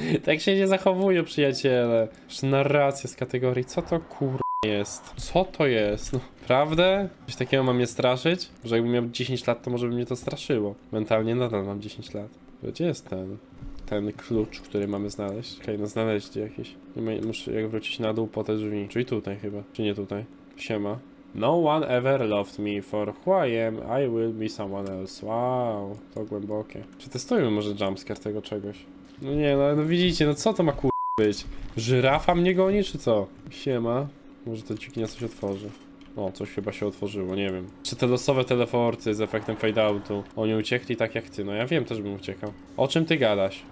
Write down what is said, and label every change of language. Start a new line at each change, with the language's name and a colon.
Polish: Tak się nie zachowują przyjaciele. Już narracja z kategorii, co to kur... jest. Co to jest? No, prawdę? Coś takiego ma mnie straszyć? Może jakbym miał 10 lat, to może by mnie to straszyło. Mentalnie nadal mam 10 lat. Gdzie jest ten? Ten klucz, który mamy znaleźć? Okej, no znaleźć jakiś. Muszę jak wrócić na dół po te drzwi. Czyli tutaj chyba. Czy nie tutaj? Siema.
English: No one ever loved me for who I am, I will be someone else.
Polish: Wow, to głębokie. Przetestujmy może jumpscare tego czegoś. No nie, no, no widzicie, no co to ma kur... być? Żyrafa mnie goni, czy co? Siema. Może ta dźwignia coś otworzy. O, coś chyba się otworzyło, nie wiem. Czy te losowe teleporty z efektem fade-outu, oni uciekli tak jak ty? No ja wiem, też bym uciekał. O czym ty gadasz?